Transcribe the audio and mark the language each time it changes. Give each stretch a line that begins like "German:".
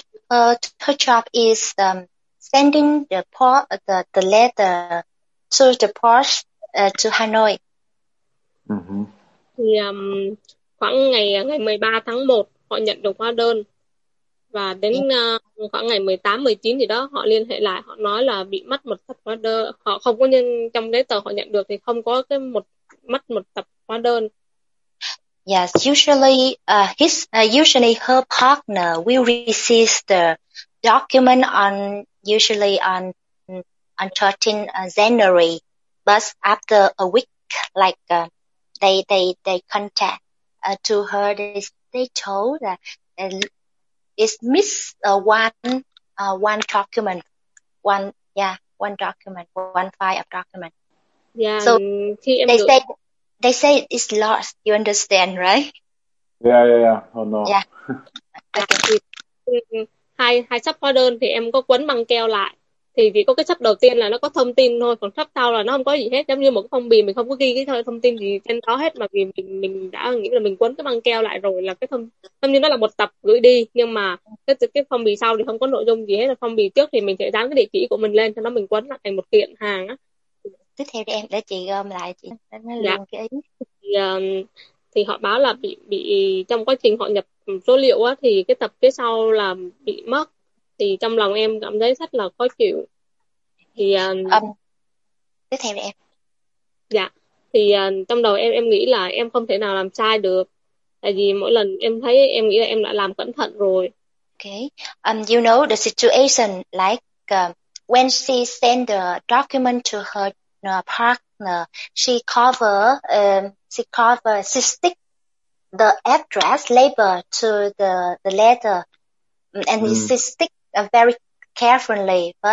English: Her job is sending the letter to the post to Hanoi.
Vietnamese: Thì khoảng ngày 13 tháng 1 họ nhận được hóa đơn và đến khoảng ngày 18-19 gì đó họ liên hệ lại, họ nói là bị mất một tập hóa đơn, họ không có nhân trong giấy tờ họ nhận được thì không có cái mất một tập hóa đơn.
English: Yes, usually her partner will receive the document on 13 January, but after a week, they contact to her, they told that it's missed one file of document. Yeah, so they say it's lost, you understand, right? Yeah. Oh no. Yeah.
Vietnamese: Hai sắp hóa đơn thì em có quấn băng keo lại. Thì chỉ có cái sắp đầu tiên là nó có thông tin thôi, còn sắp sau là nó không có gì hết, giống như một phong bì mình không có ghi cái thông tin gì trên đó hết, mà vì mình đã nghĩ là mình quấn cái băng keo lại rồi, là cái thông như nó là một tập gửi đi, nhưng mà cái phong bì sau thì không có nội dung gì hết, là phong bì trước thì mình sẽ dán cái địa chỉ của mình lên cho nó, mình quấn lại thành một kiện hàng á. Tiếp theo em để chị gom lại chị cái ý. Thì họ báo là bị trong quá trình họ nhập số liệu á, thì cái tập phía sau là bị mất, thì trong lòng em cảm thấy rất là khó chịu. Thì tiếp theo em. Dạ, thì trong đầu em nghĩ là em không thể nào làm sai được, tại vì mỗi lần em thấy em nghĩ là em đã làm cẩn thận rồi.
English: Okay, you know the situation, like when she send the document to her partner, she stick the address label to the letter, and she stick very carefully.